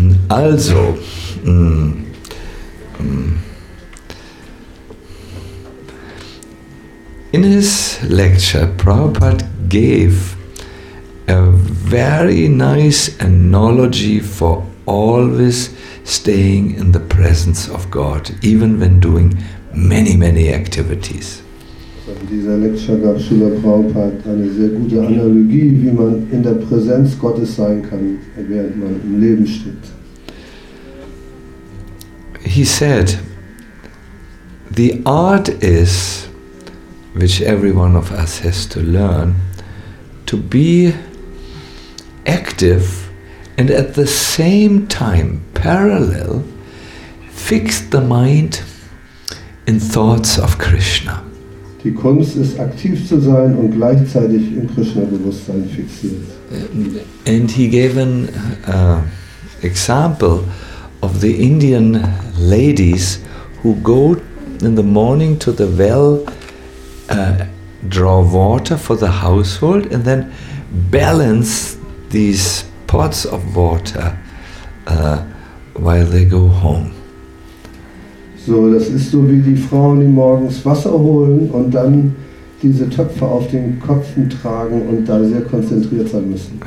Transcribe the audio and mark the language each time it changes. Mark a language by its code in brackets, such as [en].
[en] Also, in his lecture, Prabhupada gave a very nice analogy for always staying in the presence of God, even when doing many, many activities. [de] In dieser Lecture gab Srila Prabhupada eine sehr gute Analogie, wie man in der Präsenz Gottes sein kann, während man im Leben steht. [en] He said, the art is, which every one of us has to learn, to be active and at the same time parallel fix the mind in thoughts of Krishna. [de] Die Kunst ist, aktiv zu sein und gleichzeitig im Krishna-Bewusstsein fixiert. [en] And he gave an example of the Indian ladies who go in the morning to the well, draw water for the household and then balance these pots of water while they go home. [de] So, das ist so wie die Frauen, die morgens Wasser holen und dann diese Töpfe auf den Köpfen tragen und da sehr konzentriert sein müssen.